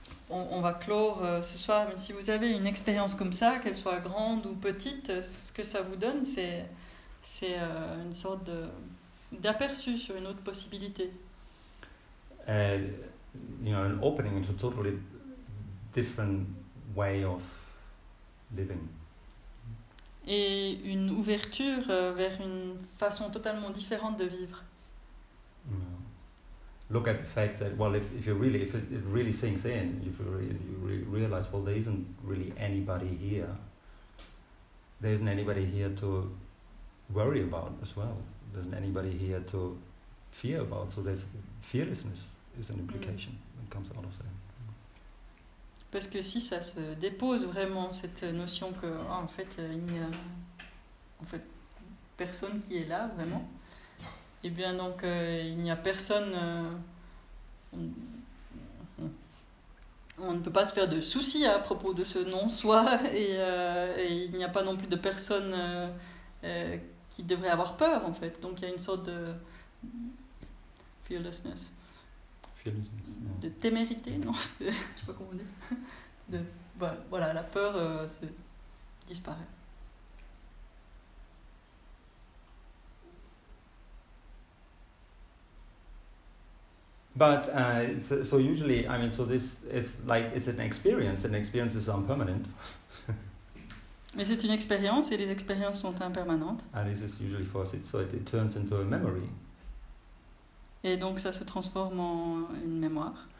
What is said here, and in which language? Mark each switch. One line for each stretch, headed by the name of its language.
French: On va clore ce soir, mais si vous avez une expérience comme ça, qu'elle soit grande ou petite, ce que ça vous donne, c'est une sorte de d'aperçu sur une autre possibilité.
English: You know, an opening into a totally different way of living.
French: Et une ouverture vers une façon totalement différente de vivre.
English: Look at the fact that, well, if it really sinks in, you realize, well, there isn't really anybody here. There isn't anybody here to worry about as well. There isn't anybody here to fear about, so there's fearlessness is an implication that comes out of that.
French: Parce que si ça se dépose vraiment, cette notion que, ah, en fait, il n'y a en fait, personne qui est là, vraiment, et bien donc, il n'y a personne. On ne peut pas se faire de soucis à propos de ce non-soi, et il n'y a pas non plus de personne qui devrait avoir peur, en fait. Donc il y a une sorte de fearlessness. De témérité, non, je sais pas comment dire. De, voilà, la peur se disparaît.
English: But so usually, I mean, so this is like, it's an experience, and experiences are impermanent.
French: Mais c'est une expérience, et les expériences sont impermanentes.
English: And this is usually for us, so it turns into a memory.
French: Et donc ça se transforme en une mémoire.